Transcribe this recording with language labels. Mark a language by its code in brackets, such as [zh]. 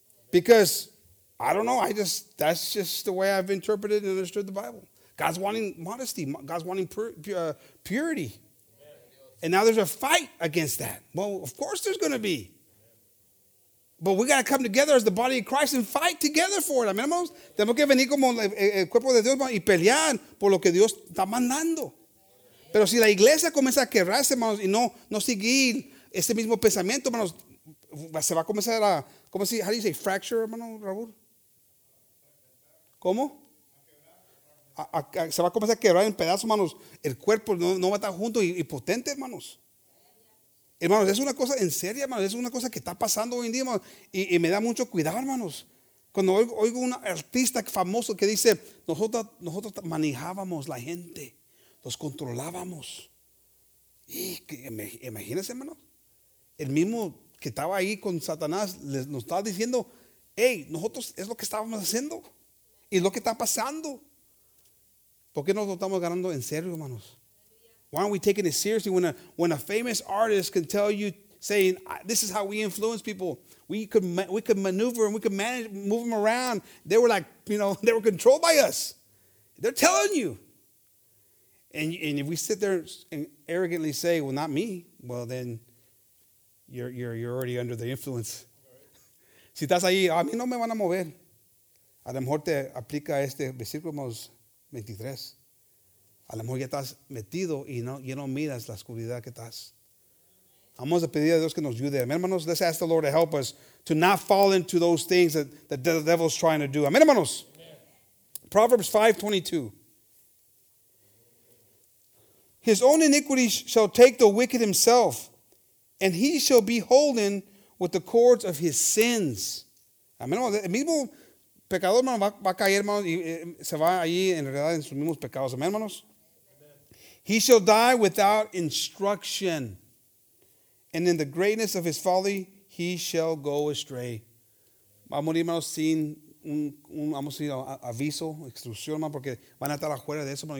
[en] Because, I don't know, that's just the way I've interpreted and understood the Bible. God's wanting modesty. God's wanting purity. And now there's a fight against that. Well, of course there's going to be. But we got to come together as the body of Christ and fight together for it. [es] Amen, hermanos? Tenemos que venir como el cuerpo de Dios y pelear por lo que Dios está mandando. Pero si la iglesia comienza a quebrarse, hermanos, y no seguir ese mismo pensamiento, hermanos, se va a comenzar a, ¿cómo se dice? [en] How do you say fracture, [es] hermano Raúl? ¿Cómo? Se va a comenzar a quebrar en pedazos, hermanos. El cuerpo no va a estar junto y potente, hermanos. Hermanos, es una cosa en serio, hermanos. Es una cosa que está pasando hoy en día, hermanos. Y me da mucho cuidado, hermanos. Cuando oigo un artista famoso que dice, nosotros manejábamos la gente. Los controlábamos. Y imagínense, hermano. El mismo que estaba ahí con Satanás nos estaba diciendo, hey, nosotros es lo que estábamos haciendo. Y lo que está pasando. ¿Por qué no lo estamos ganando en serio, hermanos? [en] Why aren't we taking it seriously when a famous artist can tell you, saying, this is how we influence people. We could maneuver and we could manage, move them around. They were like, you know, they were controlled by us. They're telling you. And if we sit there and arrogantly say, well, not me, well, then you're already under the influence. [es] Si estás ahí, a mí no me van a mover. A lo mejor te aplica este versículo 23. A lo mejor ya estás metido y no miras la oscuridad que estás. Vamos a pedir a Dios que nos ayude. Amén, hermanos. [en] Let's ask the Lord to help us to not fall into those things that the devil's trying to do. [es] Amén, hermanos. [en] Proverbs 5:22. His own iniquity shall take the wicked himself, and he shall be holden with the cords of his sins. [es] Amén, hermanos. El mismo pecador, hermano, va a caer, hermano, y se va allí en realidad en sus mismos pecados. Amén, hermanos. [en] He shall die without instruction, and in the greatness of his folly he shall go astray. [es] Va a morir, hermano, sin un vamos a decir, aviso, instrucción, hermano, porque van a estar afuera de eso, hermano.